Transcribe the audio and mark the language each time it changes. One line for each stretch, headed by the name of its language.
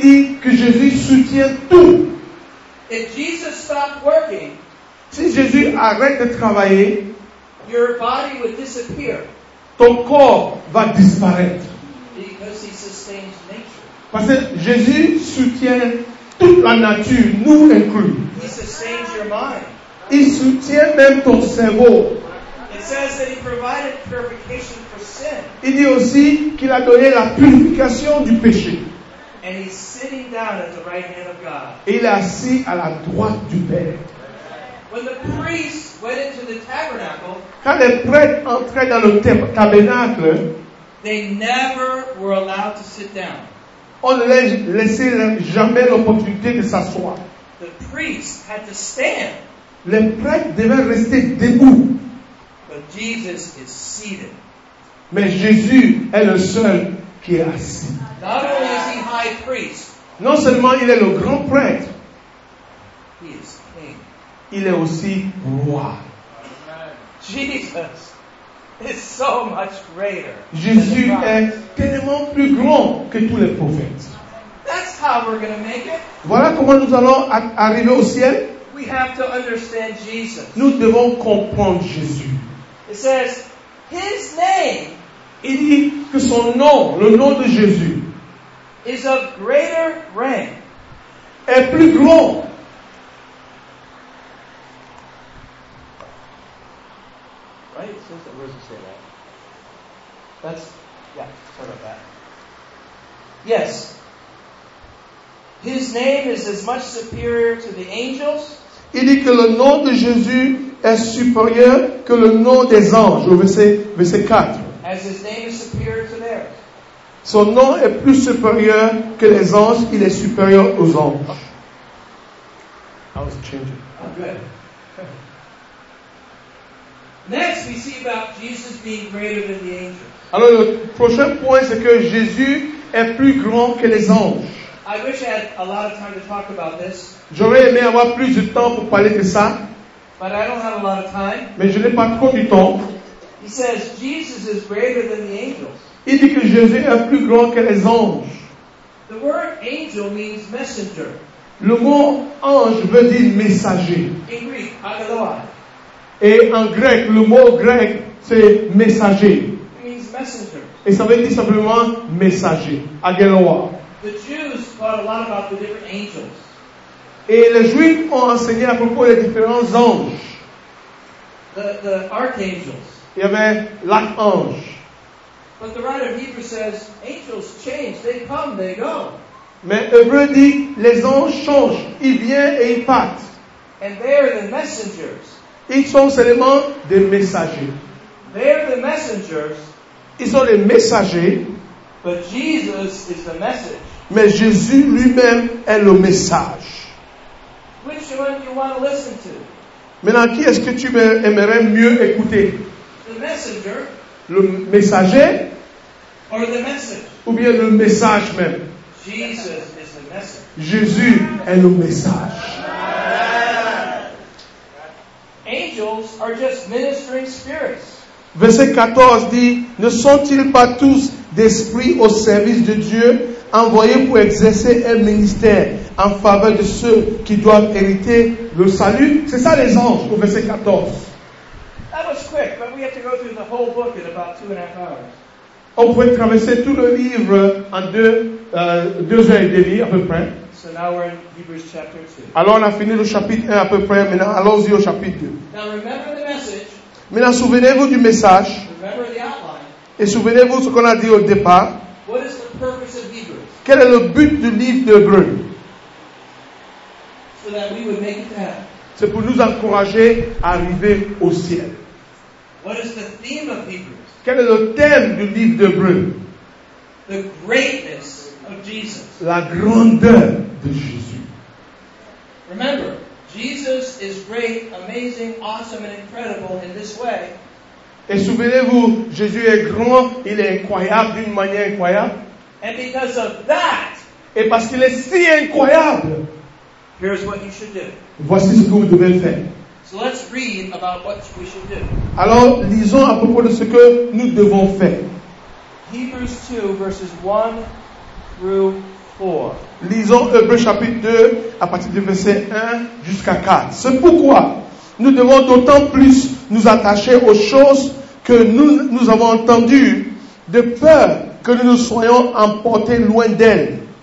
French: dit que Jésus soutient tout.
English: If Jesus stopped working,
French: si Jésus arrête de travailler,
English: your body would disappear.
French: Ton corps va disparaître.
English: Because he sustains nature.
French: Parce que Jésus soutient toute la nature, nous inclus.
English: He sustains your mind.
French: Il soutient même ton cerveau.
English: It says that he provided purification for sin.
French: Il dit aussi qu'il a donné la purification du péché.
English: And he's sitting down at the right hand of God.
French: Et il est assis à la droite du Père.
English: When the priests went into the tabernacle,
French: quand les prêtres entraient dans le tabernacle,
English: they never were allowed to sit down.
French: On ne laissait jamais l'opportunité de s'asseoir.
English: The priest had to stand.
French: Les prêtres devaient rester debout.
English: But Jesus is seated.
French: Mais Jésus est le seul qui est assis.
English: Not only is he high priest,
French: non seulement il est le grand prêtre,
English: he is king.
French: Il est aussi roi.
English: Jesus is so much greater.
French: Jésus est tellement plus grand que tous les prophètes.
English: That's how we're gonna make it.
French: Voilà comment nous allons arriver au ciel.
English: We have to understand Jesus.
French: Nous devons comprendre Jésus.
English: It says, his name,
French: il dit que son nom, le nom de Jésus,
English: is of greater rank,
French: est plus grand.
English: Right? So that, where does it say that? That's, yeah, sort of that. Yes. His name is as much superior to the angels.
French: Il dit que le nom de Jésus est supérieur que le nom des anges, au verset 4.
English: As his name is superior to theirs.
French: Son nom est plus supérieur que les anges, il est supérieur aux anges.
English: I was changing. Oh, good. Next, we see about Jesus being greater than the angels.
French: Alors, le prochain point, c'est que Jésus est plus grand que les anges.
English: I wish I had a lot of time to talk about this.
French: J'aurais aimé avoir plus de temps pour parler de ça.
English: But I don't have a lot of time.
French: Mais je n'ai pas trop du temps.
English: He says Jesus is greater than the angels.
French: Il dit que Jésus est plus grand que les anges.
English: The word angel means messenger.
French: Le mot ange veut dire messager.
English: In Greek, agathoi.
French: Et en grec, le mot grec, c'est messager.
English: It means messenger.
French: Et ça veut dire simplement messager, agathoi.
English: The Jews thought a lot about the different angels.
French: Et les Juifs ont enseigné à propos des différents anges.
English: The archangels.
French: Il y avait l'archange.
English: But the writer of Hebrews says, angels change, they come, they go.
French: Mais Hébreux dit, les anges changent, ils viennent et ils partent.
English: And they're the messengers.
French: Ils sont seulement des messagers.
English: They're the messengers.
French: Ils sont les messagers.
English: But Jesus is the message.
French: Mais Jésus lui-même est le message.
English: Which one do you want to listen to?
French: Maintenant, qui est-ce que tu aimerais mieux écouter?
English: The messenger.
French: Le messager.
English: Or the message.
French: Ou bien le message même.
English: Jesus is the message.
French: Jésus est le message.
English: Angels are just ministering spirits.
French: Verset 14 dit, ne sont-ils pas tous d'esprit au service de Dieu, envoyés pour exercer un ministère en faveur de ceux qui doivent hériter le salut? C'est ça les anges au verset 14.
English: That was quick, but we have to go through the whole book in about 2.5 hours.
French: On pouvait traverser tout le livre en deux heures et demie à peu près.
English: So now we're in Hebrews chapter 2.
French: Alors on a fini le chapitre 1 à peu près, maintenant allons-y au chapitre 2.
English: Now remember the message.
French: Maintenant souvenez-vous du message.
English: Remember the outline.
French: Et souvenez-vous ce qu'on a dit au départ.
English: What is the purpose of Hebrews?
French: Quel est le but du livre d'Hébreu?
English: So that we would make it to heaven.
French: C'est pour nous encourager à arriver au ciel.
English: What is the theme of Hebrews?
French: Quel est le thème du livre d'Hébreux?
English: The greatness of Jesus.
French: La grandeur de Jésus.
English: Remember, Jesus is great, amazing, awesome, and incredible in this way.
French: Et souvenez-vous, Jésus est grand, il est incroyable d'une manière incroyable.
English: And because of that,
French: et parce qu'il est si incroyable,
English: here's what you should do.
French: Voici ce que vous devez faire.
English: So let's read about what we should do.
French: Alors, lisons à propos de ce que nous devons faire.
English: Hebrews 2, verses 1 through 4.
French: Lisons Hébreux chapitre 2, à partir du verset 1 jusqu'à 4. C'est pourquoi nous devons d'autant plus nous attacher aux choses que nous avons entendues, de peur que nous nous soyons emportés loin d'elles.